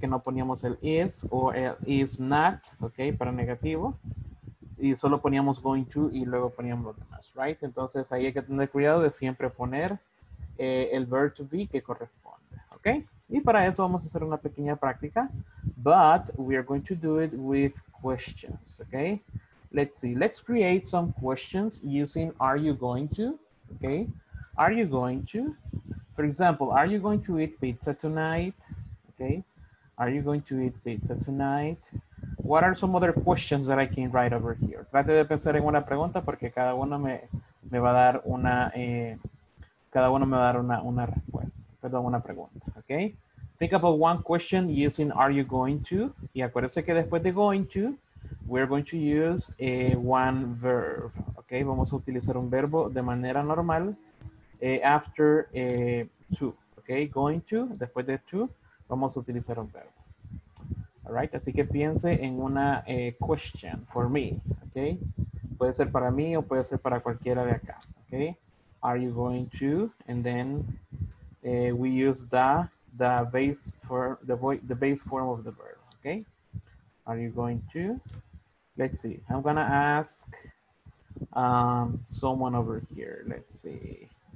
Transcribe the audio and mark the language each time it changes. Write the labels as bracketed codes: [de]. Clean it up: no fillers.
[es] Que no poníamos el is o el is not, ¿ok? Para negativo. Y solo poníamos going to y luego poníamos los demás, ¿right? Entonces ahí hay que tener cuidado de siempre poner el verb to be que corresponde, ¿ok? Y para eso vamos a hacer una pequeña práctica. [en] But we are going to do it with questions, ¿ok? Let's see. Let's create some questions using are you going to, ¿ok? Are you going to? For example, are you going to eat pizza tonight? Okay. Are you going to eat pizza tonight? What are some other questions that I can write over here? [es] Trate de pensar en una pregunta porque cada uno me va a dar una cada uno me va a dar una respuesta. Perdón, una pregunta. Okay. [en] Think about one question using are you going to? [es] Y acuérdese que después de [en] going to, we're going to use a one verb. Okay. [es] Vamos a utilizar un verbo de manera normal. After to, okay, going to, después de to, vamos a utilizar un verbo. [en] All right, [es] así que piense en una [en] question for me, okay? [es] Puede ser para mí o puede ser para cualquiera de acá, okay? [en] Are you going to? And then we use the base form of the verb, okay? Are you going to? Let's see. I'm gonna ask someone over here. Let's see.